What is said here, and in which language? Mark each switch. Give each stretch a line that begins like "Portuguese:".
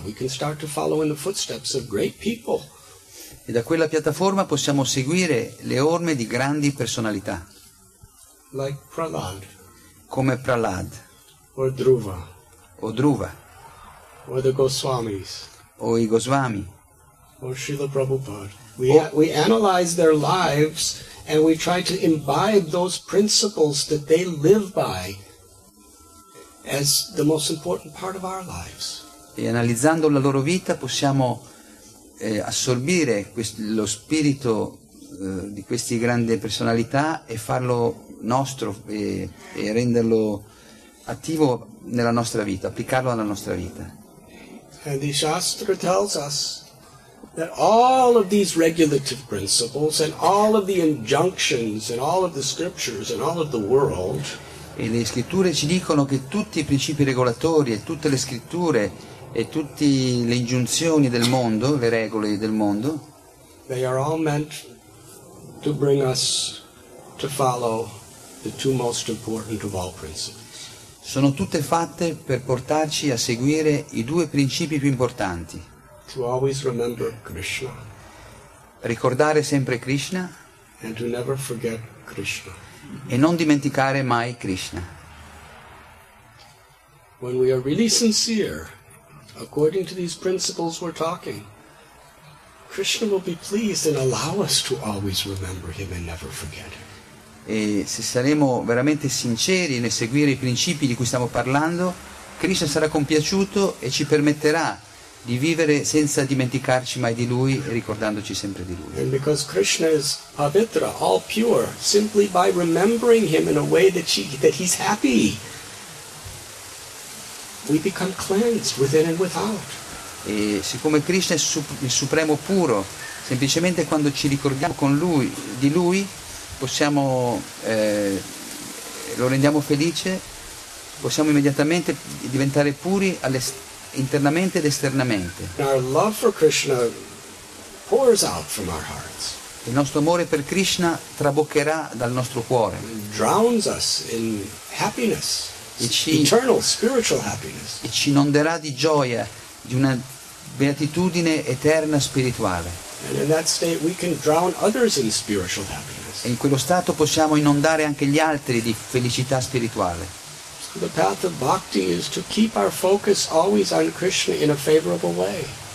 English: We can start to follow in the footsteps of great people.
Italian: E da quella piattaforma possiamo seguire le orme di grandi personalità.
English: Like Prahlad.
Italian: Come Prahlad.
English: Or Dhruva.
Italian: O Dhruva.
English: Or the Goswamis.
Italian: O i Goswami.
English: Or Srila Prabhupada. We analyze their lives and we try to imbibe those principles that they live by as the most important part of our lives.
Italian: E analizzando la loro vita possiamo assorbire lo spirito di queste grandi personalità e farlo nostro e renderlo attivo nella nostra vita, applicarlo alla nostra vita.
English: And the Shastra tells us that all of these regulative principles and all of the injunctions and all of the scriptures and all of the world.
Italian: E le scritture ci dicono che tutti i principi regolatori e tutte le scritture e tutte le ingiunzioni del mondo, le regole del mondo,
English: they are all meant to bring us to follow the two most important of all principles.
Italian: Sono tutte fatte per portarci a seguire i due principi più importanti.
English: To always remember Krishna.
Italian: Ricordare sempre Krishna.
English: And to never forget Krishna.
Italian: E non dimenticare mai Krishna.
English: When we are really sincere, according to these principles we're talking, Krishna will be pleased and allow us to always remember him and never forget him.
Italian: E se saremo veramente sinceri nel seguire i principi di cui stiamo parlando, Krishna sarà compiaciuto e ci permetterà di vivere senza dimenticarci mai di lui e ricordandoci sempre di lui.
English: And because Krishna is pavitra, all pure, simply by remembering him in a way that he's happy, we become cleansed within and without.
Italian: E siccome Krishna è il supremo puro, semplicemente quando ci ricordiamo con lui, di lui, possiamo lo rendiamo felice, possiamo immediatamente diventare puri internamente ed esternamente.
English: Our love for Krishna pours out from our hearts.
Italian: Il nostro amore per Krishna traboccherà dal nostro cuore.
English: Drowns us in happiness, eternal spiritual happiness.
Italian: E ci inonderà di gioia, di una beatitudine eterna spirituale.
English: And in that state we can drown others in spiritual happiness.
Italian: E in quello stato possiamo inondare anche gli altri di felicità spirituale.
English: The path of bhakti is to keep our focus always on Krishna in a favorable way.